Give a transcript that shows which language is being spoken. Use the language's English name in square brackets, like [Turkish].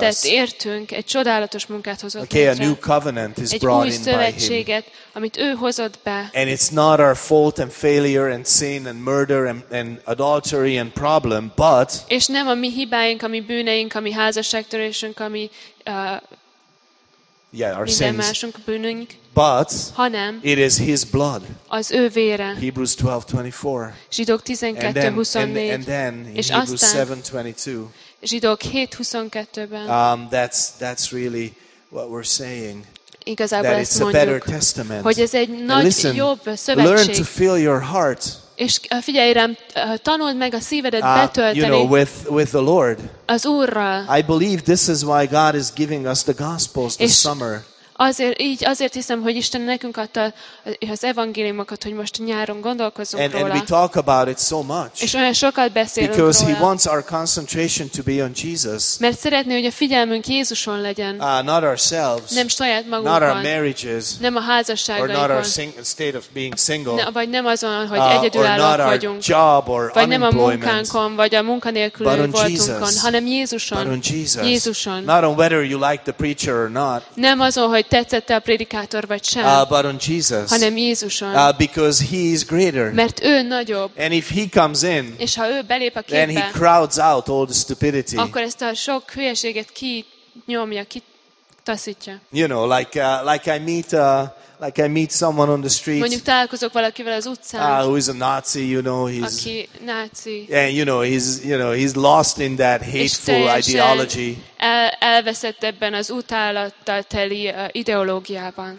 [Hungarian] Tett értünk, egy csodálatos munkát hozott. [English] Okay, a new covenant is brought in by him. [Hungarian] Egy új szövetséget, amit ő hozott be. [English] And it's not our fault and failure and sin and murder and adultery and problem, but. [Hungarian] És nem a mi hibáink, a mi bűneink, a mi házasságtörésünk, a mi minden másunk bűnünk. [English] But [Hungarian] hanem [English] it is his blood. [Hungarian] Az ő vére. [English] Hebrews 12:24. [Hungarian] Zsidók 12:24. [English] And then in Hebrews 7:22. [Hungarian] Zsidók 7:22-ben. [English] That's really what we're saying. [Hungarian] Igazából [English] that [Hungarian] ezt [English] it's a better testament. [Hungarian] Hogy ez egy nagy, [English] listen, [Hungarian] jobb szövetség. [English] Learn to fill your heart. [Hungarian] És figyelj rám, tanuld meg a szívedet betölteni. [English] You know, with the Lord. [Hungarian] Az Úrral. [English] I believe this is why God is giving us the Gospels this summer. [Hungarian] Azért, így azért hiszem, hogy Isten nekünk adta az evangéliumokat, hogy most nyáron gondolkozzunk róla. [English] And we talk about it so much. [Hungarian] És olyan sokat beszélünk [English] because [Hungarian] róla. [English] Because he wants our concentration to be on Jesus. [Hungarian] Mert szeretné, hogy a figyelmünk Jézuson legyen. [English] Not ourselves. [Hungarian] Nem saját magunkon. [English] Not our marriages. [Hungarian] Nem a házasságaikon. [English] Or not our state of being single. [Hungarian] Vagy nem azon, hogy egyedülállók vagyunk. Or [English] not our job or [Hungarian] vagy nem a munkánkon, vagy a munkanélkülő [English] but on [Hungarian] voltunkon, [English] Jesus. [Hungarian] Hanem Jézuson. [English] But on Jesus. [Hungarian] Jézuson. [English] Not on whether you like the preacher or not. [Hungarian] Nem azon, hogy tetszett-e a prédikátor vagy sem, [English] but on Jesus, [Hungarian] hanem Jézuson. [English] Because he is greater. [Hungarian] Mert ő nagyobb. [English] And if he comes in, [Hungarian] és ha ő belép a képbe, [English] then he crowds out all the stupidity. [Hungarian] Akkor ezt a sok hülyeséget kinyomja, kitaszítja. [English] You know, like I meet someone on the street. [Hungarian] Mondjuk találkozok valakivel az utcán. [English] Who is a Nazi, you know, he's [Hungarian] aki náci. [English] And you know he's lost in that hateful ideology. [Hungarian] Elveszett ebben az utálattal teli ideológiában.